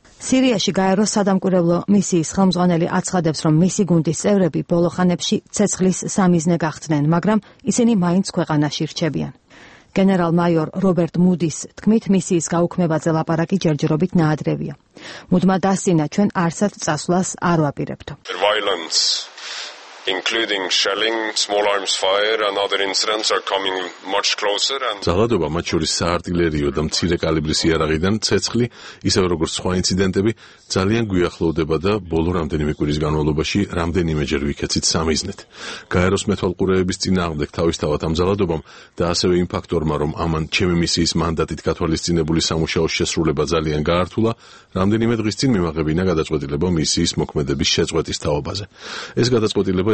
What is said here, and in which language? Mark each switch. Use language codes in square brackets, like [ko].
[ka] სირიაში გაეროს სადამკვირვებლო მისიის ხელმძღვანელი აცხადებს, რომ მისი გუნდის წევრები ბოლო ხანებში ცეცხლის სამიზნე გახდნენ, მაგრამ ისინი მაინც ქვეყანაში რჩებიან. გენერალ-მაიორ რობერტ მუდის თქმით, მისიის გაუქმებაზე ლაპარაკი ჯერჯერობით ნაადრევია. მუდმა დასინა, ჩვენ არსად წასვლას არ ვაპირებთ. [en] Including shelling, small arms fire and other incidents are coming much closer and [ka] ძალადობა, მათ შორის საარტილერიო და მცირე კალიბრის იარაღიდან ცეცხლი, ისევე როგორც სხვა ინციდენტები, ძალიან გვიახლოვდება და ბოლო რამდენიმე კვირის განმავლობაში რამდენიმეჯერ ვიქეცით სამიზნედ. გაეროს მეთვალყურეების წინააღმდეგ თავისთავად ამ ძალადობამ და ასევე იმ ფაქტორმა, რომ ამან ჩემი მისიის მანდატით გათვალისწინებული სამუშაოს შესრულება ძალიან გაართულა, რამდენიმე დღის წინ მიმაღებინა გადაწყვეტილება მისიის მოქმედების შეწყვეტის თაობაზე. ეს გადაწყვეტილება